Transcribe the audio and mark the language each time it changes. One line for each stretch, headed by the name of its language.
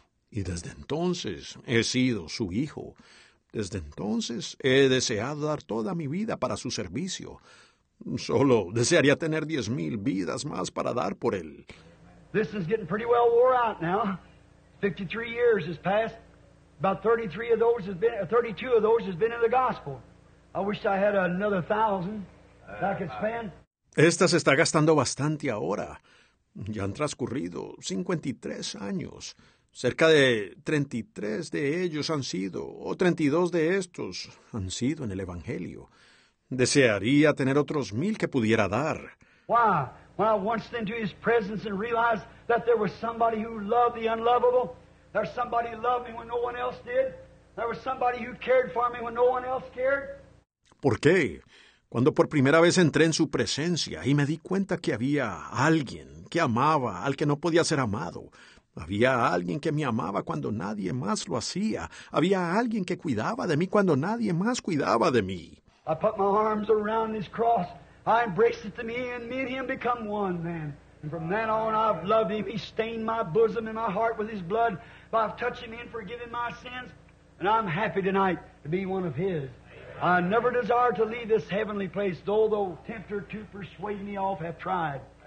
Spanish: Y desde entonces he sido su hijo. Desde entonces he deseado dar toda mi vida para su servicio. Solo desearía tener 10,000 vidas más para dar por Él.
English: This is getting pretty well wore out now. 53 years has passed. About 33 of those has been, 32 of those has been in the gospel. I wish I had another 1,000 that I could spend.
Spanish: Esta se está gastando bastante ahora. Ya han transcurrido 53 años. Cerca de 33 de ellos han sido, o 32 de estos han sido en el Evangelio. Desearía tener otros 1,000 que pudiera dar.
English: Why? When I once went into His presence and realized that there was somebody who loved the unlovable. There's somebody who loved me when no one else did. There was somebody who cared for me when no one else cared.
Spanish: ¿Por qué? Cuando por primera vez entré en su presencia y me di cuenta que había alguien que amaba al que no podía ser amado. Había alguien que me amaba cuando nadie más lo hacía. Había alguien que cuidaba de mí cuando nadie más cuidaba de mí.
English: I put my arms around His cross. I embraced it to me and me and Him become one man. And from then on I've loved Him. He stained my bosom and my heart with His blood by touching me and forgiving my sins. And I'm happy tonight to be one of His. I never desire to leave this heavenly place, though tempter to persuade me off have tried.